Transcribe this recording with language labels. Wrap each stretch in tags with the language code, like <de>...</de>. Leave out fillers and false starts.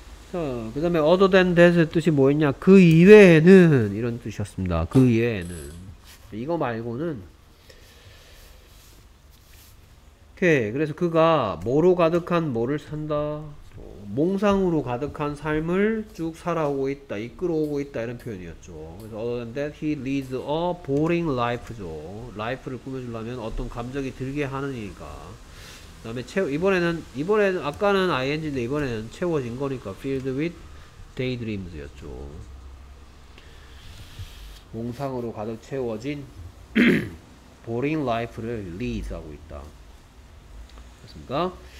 <ko>자 그 다음에 other than that의 뜻이 뭐였냐 그 이외에는 이런 뜻이었습니다 그 이외에는 이거 말고는 오케이 그래서 그가 뭐로 가득한 뭐를 산다 몽상으로 가득한 삶을 쭉 살아오고 있다, 이끌어오고 있다 이런 표현이었죠.</ko> <en>그래서 other than that, he leads a boring life죠.</en> <ko>라이프를 꾸며주려면 어떤 감정이 들게 하는 일인가. 그다음에 이번에는 아까는 ing인데 이번에는 채워진 거니까</ko> <en>filled with daydreams</en> <ko>였죠. 몽상으로 가득 채워진 boring life를 lead 하고 있다. 맞습니까?</ko>